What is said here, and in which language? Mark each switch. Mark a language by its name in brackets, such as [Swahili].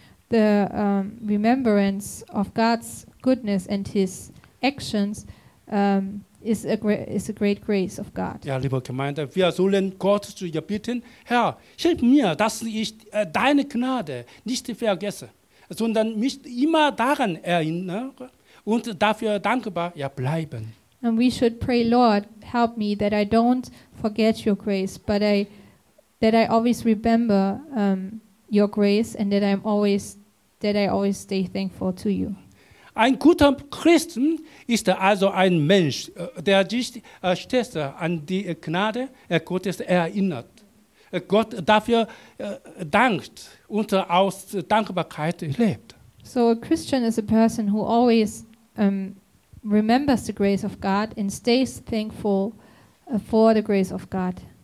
[English] The remembrance of God's goodness and his actions is a great grace of God. [German] Ja, liebe Gemeinde, wir sollen Gott zu bitten, Herr, hilf mir, dass ich deine Gnade nicht vergesse, sondern mich immer daran erinnere und dafür dankbar bleiben. [English] And we should pray, Lord, help me that I don't forget your grace, but that I always remember your grace and that I always stay thankful to you. [German] Ein guter Christ ist also ein Mensch, der sich stets an die Gnade Gottes erinnert, Gott dafür dankt und aus Dankbarkeit lebt. [English] So a Christian is a person who always remembers the grace of God and stays thankful for the grace of God.